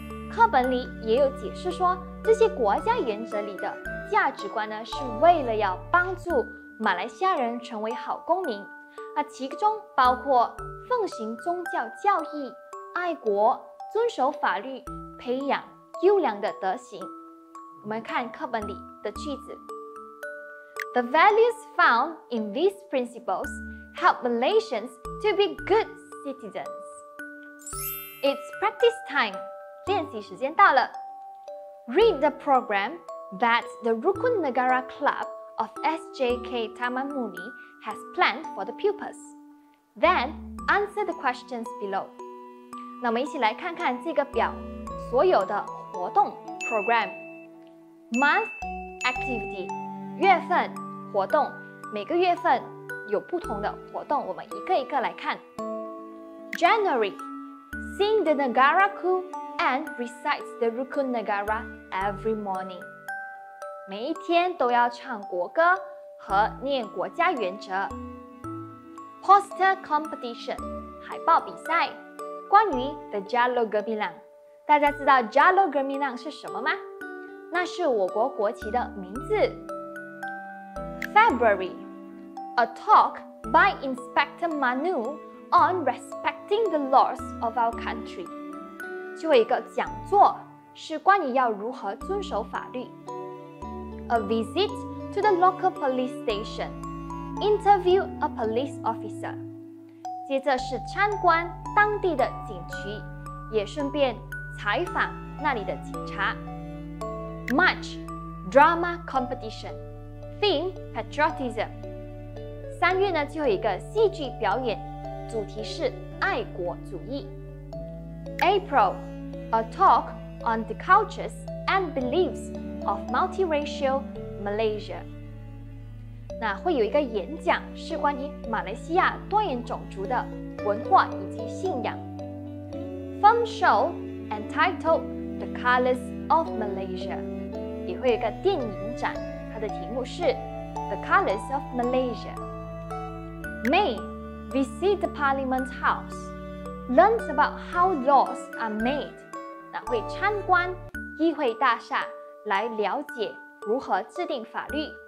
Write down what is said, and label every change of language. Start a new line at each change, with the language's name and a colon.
Chinese: 课本里也有解释说，这些国家原则里的价值观呢，是为了要帮助马来西亚人成为好公民，而其中包括奉行宗教教义、爱国、遵守法律、培养优良的德行。我们看课本里的句子 ：
English: The values found in these principles help Malaysians to be good citizens. It's practice time，
Chinese: 练习时间到了。
English: Read the program。 That the Rukun Negara Club of SJK Taman Muni has planned for the pupils. Then answer the questions below.
Chinese: 那我们一起来看看这个表所有的活动 program.
English: Month activity
Chinese: 月份活动，每个月份有不同的活动，我们一个一个来看。
English: January, sing the Negara Ku and recite the Rukun Negara every morning.
Chinese: 每一天都要唱国歌和念国家原则。
English: Poster competition
Chinese: 海报比赛，关于 The Jalo Gemilang， 大家知道 Jalo Gemilang 是什么吗？那是我国国旗的名字。
English: February， a talk by Inspector Manu on respecting the laws of our country，
Chinese: 就有一个讲座，是关于要如何遵守法律。
English: A visit to the local police station. Interview a police officer.
Chinese: 接着是参观当地的警局，也顺便采访那里的警察。
English: March drama competition. Theme patriotism.
Chinese: 三月呢，就有一个戏剧表演，主题是爱国主义。
English: April, a talk on the cultures and beliefs.of multiracial Malaysia.
Chinese: 那会有一个演讲是关于马来西亚多元种族的文化以及信仰。
English: Film show entitled The Colors of Malaysia
Chinese: 也会有一个电影展，它的题目是
English: The Colors of Malaysia。 May visit the Parliament House learns about how laws are made
Chinese: 那会参观议会大厦来了解如何制定法律。